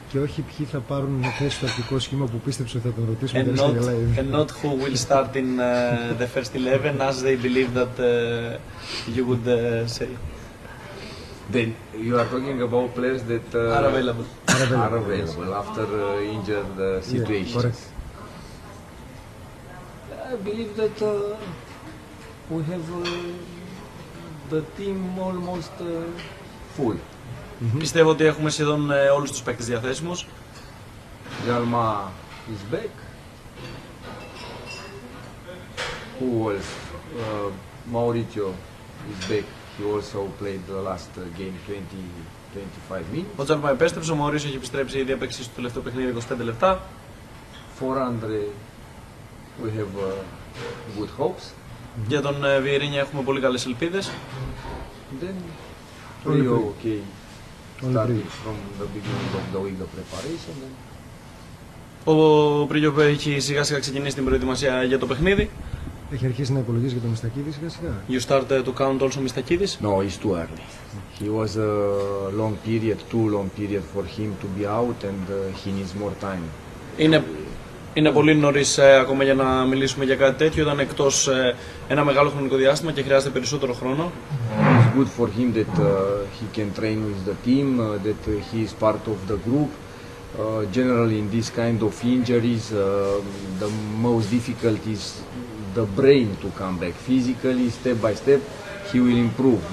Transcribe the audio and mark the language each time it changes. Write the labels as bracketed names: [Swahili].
[Greek] Και όχι ποιοι θα πάρουν μια θέση στο αρχικό σχήμα που πίστεψε ότι θα τον ρωτήσουμε. [English] And not who will start in the first 11, as they believe that you would say. Then you are talking about players that are available. Are available after injured situations. Yeah, I believe that we have the team almost full. Mm-hmm. [Greek] Πιστεύω ότι έχουμε σχεδόν όλους τους παίκτες διαθέσιμους. [English] Γιάλμα is back. Who was Mauricio is back. He also played the last game 20-25 minutes. [Greek] Ο Μαουρίσιο έχει επιστρέψει ήδη απέξει στο τελευταίο παιχνίδι 25 λεπτά. [English] For Andre, we have good hopes. [Greek] Για τον Βιερίνια έχουμε πολύ καλές ελπίδες. [English] Then, Rio came starting from the beginning of the window preparation. [Greek] Ο Πρίγιο έχει σιγά σιγά ξεκινήσει την προετοιμασία για το παιχνίδι. Έχει αρχίσει να υπολογίζει για τον Μιστακίδη σιγά σιγά. [English] You start to count also Μιστακίδης? No, it's too early. He was a long period, too long period for him to be out and he needs more time. [Greek] Είναι πολύ νωρίς ακόμα για να μιλήσουμε για κάτι τέτοιο. Ήταν εκτός ένα μεγάλο χρονικό διάστημα και χρειάζεται περισσότερο χρόνο. [English] It's good for him that he can train with the team, that he is part of the group. Generally in this kind of injuries, the most difficult is the brain to come back physically, step by step, he will improve.